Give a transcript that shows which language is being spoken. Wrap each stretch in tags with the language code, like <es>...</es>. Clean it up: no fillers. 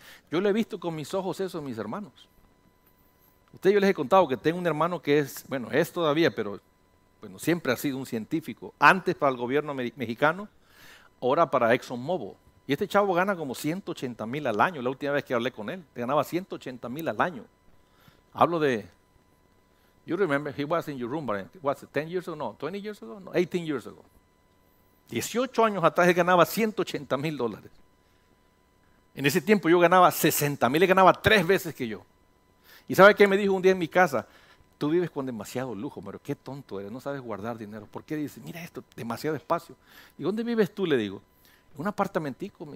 <es>Yo lo he visto con mis ojos eso en mis hermanos. Ustedes, yo les he contado que tengo un hermano que es, bueno, es todavía, pero bueno, siempre ha sido un científico. Antes para el gobierno mexicano, ahora para ExxonMobil. Y este chavo gana como 180 mil al año. La última vez que hablé con él, ganaba 180 mil al año. Hablo de,</es> <en>you remember, he was in your room, but what's it, 10 years ago, no, 20 years ago, no, 18 years ago.</en> <es>18 años atrás él ganaba 180 mil dólares. En ese tiempo yo ganaba 60 mil, él ganaba tres veces que yo. ¿Y sabe qué me dijo un día en mi casa? Tú vives con demasiado lujo, pero qué tonto eres, no sabes guardar dinero. ¿Por qué? Dice, mira esto, demasiado espacio. ¿Y dónde vives tú? Le digo, un apartamentico.</es>